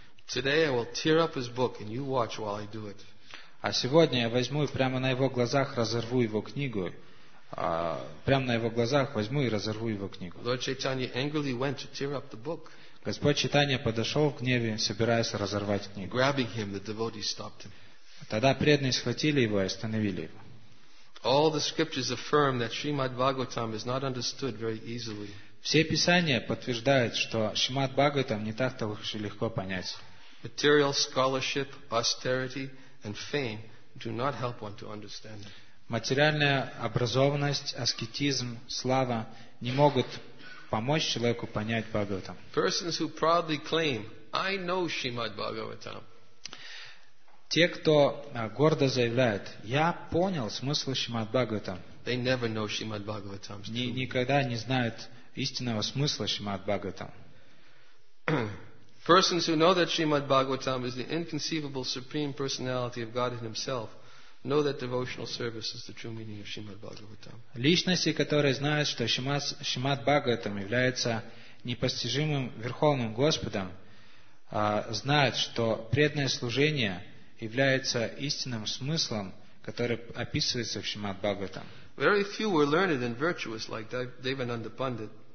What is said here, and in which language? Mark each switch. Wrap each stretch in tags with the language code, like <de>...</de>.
<en>Today I will tear up his book, and you watch while I do it.</en> <ru>А сегодня я возьму и прямо на его глазах разорву его книгу. Прямо на его глазах возьму и разорву его книгу.</ru> <en>Lord Chaitanya angrily went to tear up the book.</en> <ru>Господь Чайтанья подошел в гневе, собираясь разорвать книгу.</ru> <en>Grabbing him, the devotees stopped him.</en> <ru>Тогда преданные схватили его и остановили его.</ru> <en>All the scriptures affirm that Shrimad Bhagavatam is not understood very easily.</en> <ru>Все писания подтверждают, что Шримад Бхагаватам не так-то уж и легко понять.</ru> <en>Material scholarship, austerity, and fame do not help one to understand it.</en> <ru>Материальная образованность, аскетизм, слава не могут помочь человеку понять Бхагаватам.</ru> <en>Persons who proudly claim, I know Shrimad Bhagavatam.</en> <ru>Те, кто гордо заявляет, я понял смысл Шримад Бхагаватам.</ru> <en>They never know Shrimad Bhagavatam.</en> <ru>Никогда не знают истинного смысла Шримад Бхагаватам.</ru> <en>Persons who know that Shrimad Bhagavatam is the inconceivable supreme personality of Godhead himself. Know that devotional service is the true meaning of Shrimad Bhagavatam.</en> <ru>Личности, которые знают, что Шримад Бхагаватам является непостижимым Верховным Господом, знают, что преданное служение является истинным смыслом, который описывается в Шримад Бхагаватам.</ru> <en>Very few were learned and virtuous like Devananda Pandit.</en>